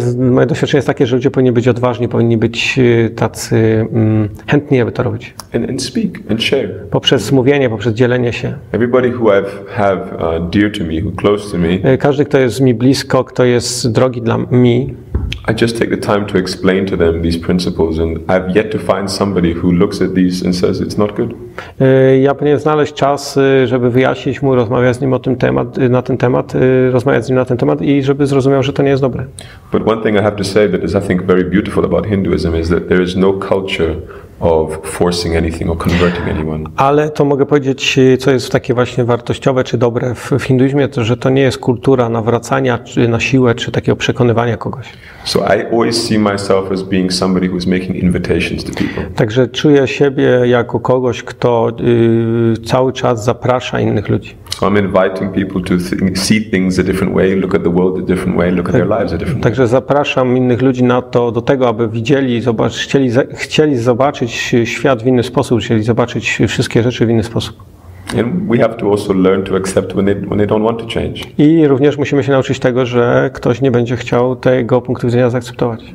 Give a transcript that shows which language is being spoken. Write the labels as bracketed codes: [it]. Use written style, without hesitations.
[pl] Moje doświadczenie jest takie, że ludzie powinni być odważni, powinni być tacy chętni, aby to robić. [en] And speak and share. [pl] Poprzez mówienie, poprzez dzielenie się. [en] Everybody who have dear to me, who close to me. [pl] Każdy, kto jest mi blisko, kto jest drogi dla mnie. [en] I just take the time to explain to them these principles, and I've yet to find somebody who looks at these and says it's not good. [pl] Ja powinien znaleźć czas, żeby wyjaśnić mu, rozmawiać z nim na ten temat i żeby zrozumiał, że to nie jest dobre. [en] But one thing I have to say that is I think very beautiful about Hinduism is that there is no culture of forcing anything or converting anyone. [pl] Ale to mogę powiedzieć, co jest takie właśnie wartościowe czy dobre w hinduizmie, to że to nie jest kultura nawracania czy na siłę czy takiego przekonywania kogoś. [en] So I always see myself as being somebody who is making invitations to people. [pl] Także czuję siebie jako kogoś, kto cały czas zaprasza innych ludzi. [en] So I'm inviting people to see things a different way, look at the world a different way, look at their lives a different way. [pl] Także zapraszam innych ludzi na to, do tego, aby widzieli, chcieli zobaczyć świat w inny sposób, chcieli zobaczyć wszystkie rzeczy w inny sposób. [en] And we have to also learn to accept when they don't want to change. [pl] I również musimy się nauczyć tego, że ktoś nie będzie chciał tego punktu widzenia zaakceptować.